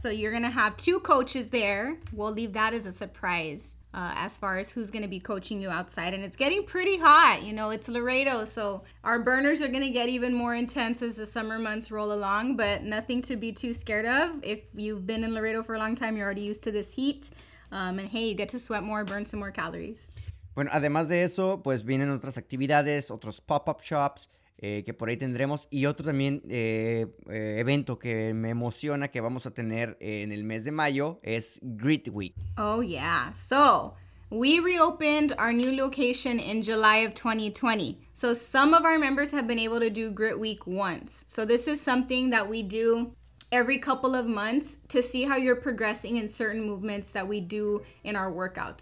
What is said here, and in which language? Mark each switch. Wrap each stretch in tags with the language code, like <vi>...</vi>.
<en>So you're going to have two coaches there. We'll leave that as a surprise as far as who's going to be coaching you outside. And it's getting pretty hot. You know, it's Laredo, so our burners are going to get even more intense as the summer months roll along, but nothing to be too scared of. If you've been in Laredo for a long time, you're already used to this heat. And hey, you get to sweat more, burn some more calories.</en> <es>Bueno, además de eso, pues vienen otras actividades, otros pop-up shops, que por ahí tendremos, y otro también evento que me emociona que vamos a tener en el mes de mayo es Grit Week.</es> <en>Oh yeah, so we reopened our new location in July of 2020. So some of our members have been able to do Grit Week once. So this is something that we do every couple of months to see how you're progressing in certain movements that we do in our workouts.</en>